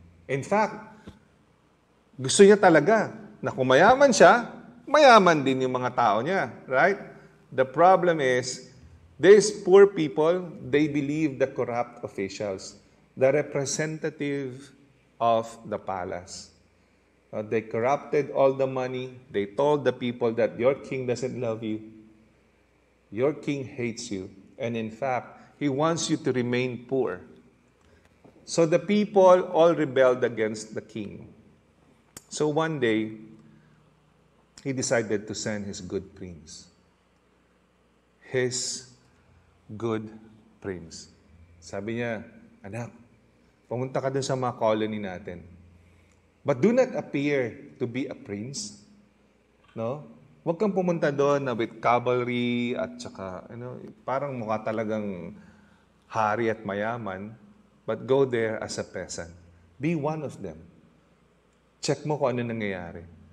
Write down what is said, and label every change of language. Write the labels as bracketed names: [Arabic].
[Filipino] In fact, gusto niya talaga na kung mayaman siya, mayaman din yung mga tao niya. [English] Right? The problem is, these poor people, they believe the corrupt officials, the representative of the palace. They corrupted all the money. They told the people that your king doesn't love you. Your king hates you. And in fact, he wants you to remain poor. So the people all rebelled against the king. So one day, he decided to send his good prince. His good prince. [Filipino] Sabi niya, anak, pumunta ka dun sa mga colony natin. [English] But do not appear to be a prince. [Filipino] No? Huwag kang pumunta doon na [English] with cavalry [Filipino] at saka, you know, parang mukha talagang hari at mayaman. [English] But go there as a peasant. Be one of them. [Filipino] Check mo kung ano nangyayari.